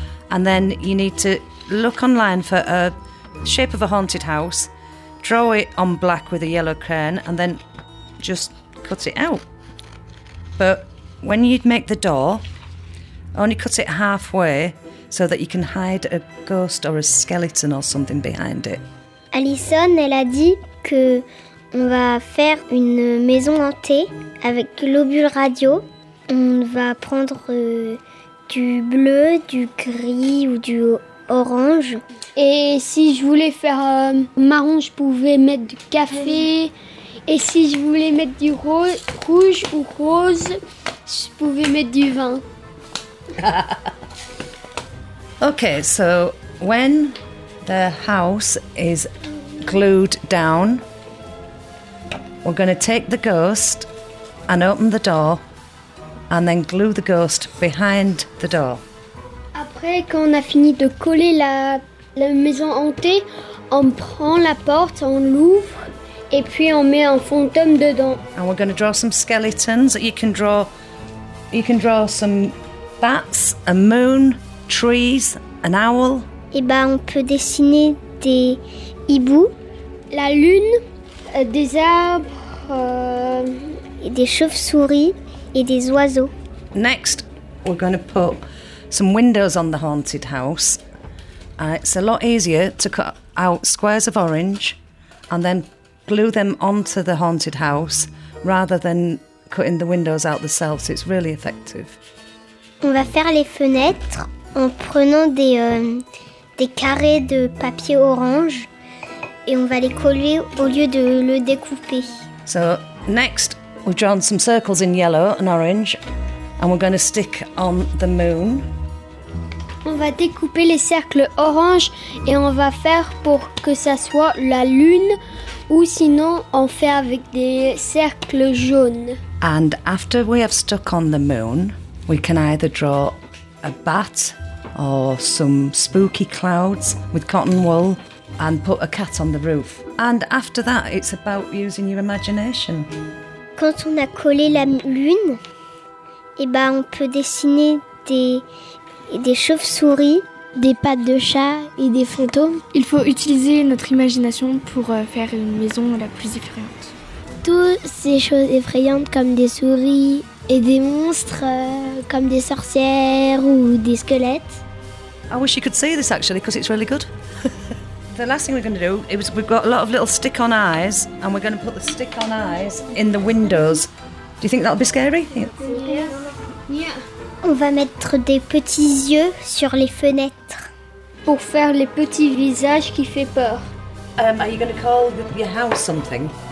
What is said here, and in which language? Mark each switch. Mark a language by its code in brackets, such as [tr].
[en] And then you need to look online for a shape of a haunted house, draw it on black with a yellow crayon, and then just cut it out. But when you'd make the door, only cut it halfway so that you can hide a ghost or a skeleton or something behind it. [fr] Alison, elle a dit que on va faire une maison hantée avec Globule Radio. On va prendre du bleu, du gris ou du orange. Et si je voulais faire marron, je pouvais mettre du café. Et si je voulais mettre du rouge ou rose, je pouvais mettre du vin. [en] Okay, so when the house is glued down, we're going to take the ghost and open the door and then glue the ghost behind the door. [fr] Après, quand on a fini de coller la maison hantée, on prend la porte, on l'ouvre et puis on met un fantôme dedans. [en] And we're going to draw some skeletons. You can draw some bats, a moon, trees, an owl. [fr] Et ben, on peut dessiner des hiboux, la lune, des arbres, et des chauves-souris et des oiseaux. [en] Next, we're going to put some windows on the haunted house. It's a lot easier to cut out squares of orange and then glue them onto the haunted house rather than cutting the windows out themselves. It's really effective. [fr] On va faire les fenêtres en prenant des carrés de papier orange et on va les coller au lieu de le découper. [en] So next, we've drawn some circles in yellow and orange and we're going to stick on the moon. [fr] On va découper les cercles orange et on va faire pour que ça soit la lune ou sinon on fait avec des cercles jaunes. [en] And after we have stuck on the moon, we can either draw a bat or some spooky clouds with cotton wool and put a cat on the roof. And after that, it's about using your imagination. [fr] Quand on a collé la lune, eh ben on peut dessiner des chauves-souris, des pattes de chat et des fantômes. Il faut utiliser notre imagination pour faire une maison la plus effrayante. Toutes ces choses effrayantes comme des souris et des monstres comme des sorcières ou des squelettes. [en] I wish you could see this actually because it's really good. The last thing we're going to do is we've got a lot of little stick-on eyes and we're going to put the stick-on eyes in the windows. Do you think that'll be scary? Yeah. [fr] On va mettre des petits yeux sur les fenêtres. Pour faire les petits visages qui fait peur. [en] Are you going to call your house something?